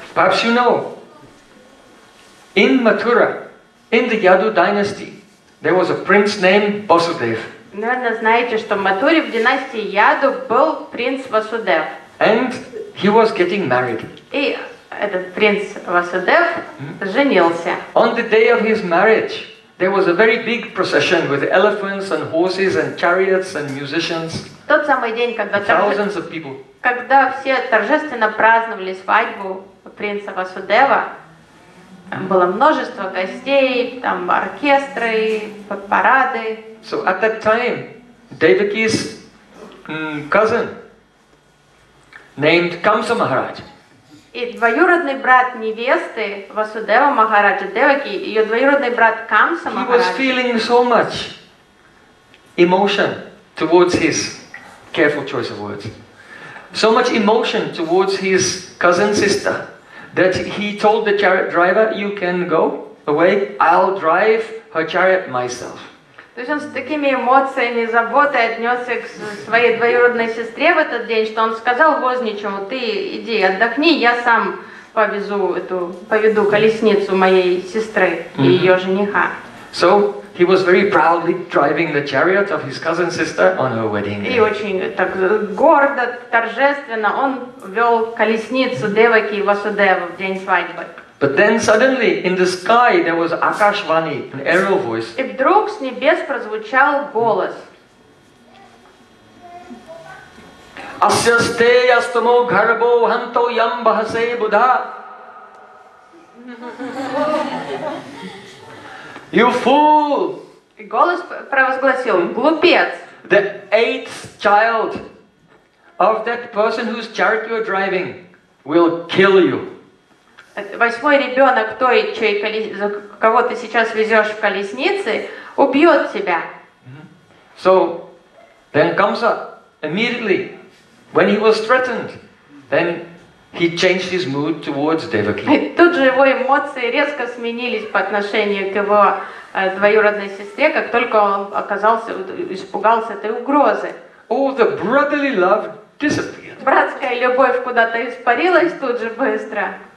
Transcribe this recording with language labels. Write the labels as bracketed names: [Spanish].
[English] Perhaps you know, in Mathura, in the Yadu dynasty, there was a prince named Vasudev. [Russian] Наверное, знаете, что в Матуре, в династии Яду, был принц Васудев. [English] And he was getting married. [Russian] И этот принц Васудев женился. [English] On the day of his marriage, there was a very big procession with elephants and horses and chariots and musicians. [Russian] Тот самый день, когда [English] thousands of people. [Russian] Когда все торжественно праздновали свадьбу принца Васудева, было множество гостей, там оркестры, парады. [English] So at that time, Devaki's cousin named Kamsa Maharaj. [Russian] И двоюродный брат невесты Васудева Махараджа Деваки, ее двоюродный брат Камса Махараджа. [English] He was feeling so much emotion towards his careful choice of words. So much emotion towards his cousin sister that he told the chariot driver, "You can go away. I'll drive her chariot myself." [Russian] То есть он с такими эмоциями, заботой отнесся к своей двоюродной сестре в этот день, что он сказал возничему: "Ты иди, отдохни, я сам поведу колесницу моей сестры и ее жениха." [English] So he was very proudly driving the chariot of his cousin sister on her wedding day. [Russian] И очень так гордо, торжественно он вел колесницу Деваки Васудева в день свадьбы. [English] But then suddenly in the sky there was Akashvani, an aerial voice. [Russian] И вдруг с небес прозвучал голос. [Sanskrit] Asyaste yastamo gharbo hanto yam bahase buddha. [English] You fool! [Russian] И голос провозгласил: глупец! [English] The eighth child of that person whose chariot you are driving will kill you. [Russian] Восьмой ребенок той, кого ты сейчас везешь в колеснице, убьет тебя. [English] So then Kamsa immediately, when he was threatened, then he changed his mood towards Devaki. [Russian] Тут же его эмоции резко сменились по отношению к его двоюродной сестре, как только он испугался этой угрозы. [English] All the brotherly love disappeared. [Russian] Братская любовь куда-то испарилась тут же быстро.